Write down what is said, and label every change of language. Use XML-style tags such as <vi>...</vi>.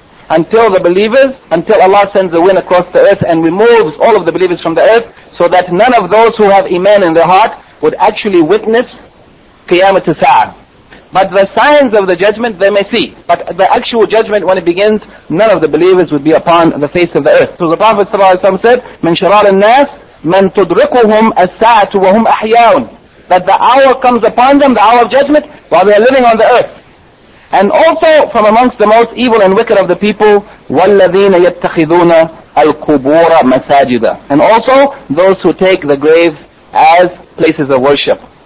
<en>until the believers, until Allah sends a wind across the earth and removes all of the believers from the earth, so that none of those who have iman in their heart would actually witness Qiyamah Tisa'ah. But the signs of the judgment they may see. But the actual judgment, when it begins, none of the believers would be upon the face of the earth. So the Prophet ﷺ said,</en> <ar>مَنْ شَرَارِ النَّاسِ مَنْ تُدْرِكُهُمْ السَّاعَةُ وَهُمْ أَحْيَاؤُنَ.</ar> <en>That the hour comes upon them, the hour of judgment, while they are living on the earth. And also from amongst the most evil and wicked of the people,</en> <ar>وَالَّذِينَ يَتَّخِذُونَ الْقُبُورَ مَسَاجِدًا.</ar> <en>And also those who take the graves as places of worship.</en>